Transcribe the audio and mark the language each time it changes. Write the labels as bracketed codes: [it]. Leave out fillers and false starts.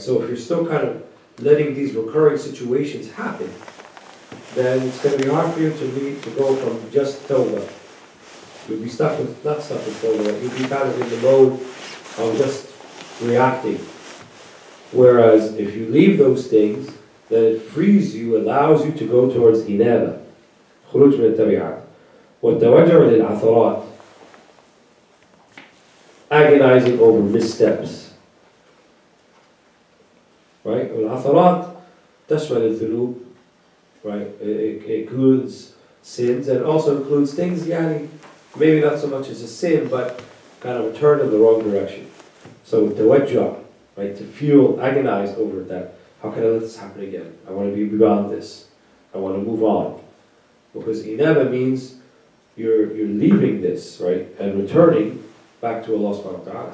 [en] So if you're still kind of letting these recurring situations happen, then it's going to be hard for you to be, to go from just tawbah. You'll be stuck with, not stuck with tawbah, you'll be kind of in the mode of just reacting. Whereas if you leave those things, then it frees you, allows you to go towards inaba. [ar] خروج من التبعات والتوجع للعثرات [en] agonizing over missteps, right? [ar] والعثرات تشمل الذنوب, right? [en] It includes sins and also includes things, يعني maybe not so much as a sin but kind of a turn in the wrong direction. So التوجع, right? To feel agonized over that, how can I let this happen again? I want to be beyond this, I want to move on. Because inaba means you're leaving this, right, and returning back to Allah subhanahu wa ta'ala.